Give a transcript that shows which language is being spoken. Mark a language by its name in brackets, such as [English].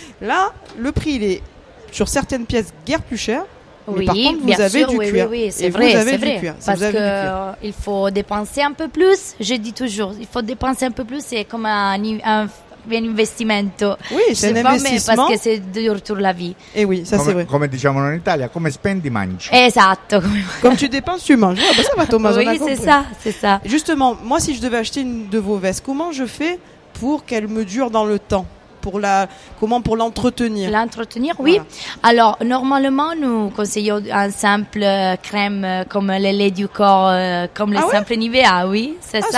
[French] Là, le prix, il est sur certaines pièces guère plus cher. Oui, mais par contre, vous avez du cuir. Oui, c'est vrai, c'est vrai. Parce qu'il faut dépenser un peu plus, je dis toujours, il faut dépenser un peu plus, c'est comme un investissement. Oui, c'est un investissement. Parce que c'est dur toute la vie. Et oui, ça c'est vrai. [Italian] Come diciamo in Italia, come spendi mangi. Esatto. [French] Comme tu dépenses, tu manges. Ah, bah, ça va, Thomas, oui, c'est ça, c'est ça. Justement, moi si je devais acheter une de vos vestes, comment je fais pour qu'elle me dure dans le temps? Comment pour l'entretenir? L'entretenir, voilà. Oui. Alors, normalement, nous conseillons une simple crème comme le lait du corps, comme le simple Nivea, oui, c'est ça.